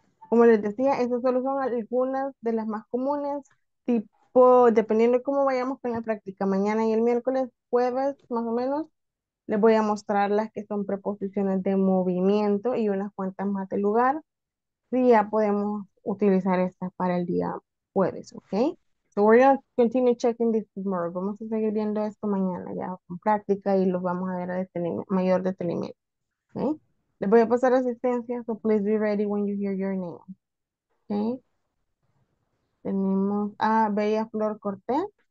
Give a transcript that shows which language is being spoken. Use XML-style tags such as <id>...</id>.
<es>Como les decía, esas solo son algunas de las más comunes, tipo, dependiendo de cómo vayamos con la práctica, mañana y el miércoles, jueves, más o menos, les voy a mostrar las que son preposiciones de movimiento y unas cuantas más de lugar, si ya podemos utilizar estas para el día jueves, ¿ok?</es> <en>So we're going to continue checking this tomorrow.</en> <es>Vamos a seguir viendo esto mañana ya con práctica y los vamos a ver a mayor detenimiento, ¿ok? Les voy a pasar asistencia,</es> <en>so please be ready when you hear your name, ¿ok?</en> <es>Tenemos a Bella Flor Cortés.</es>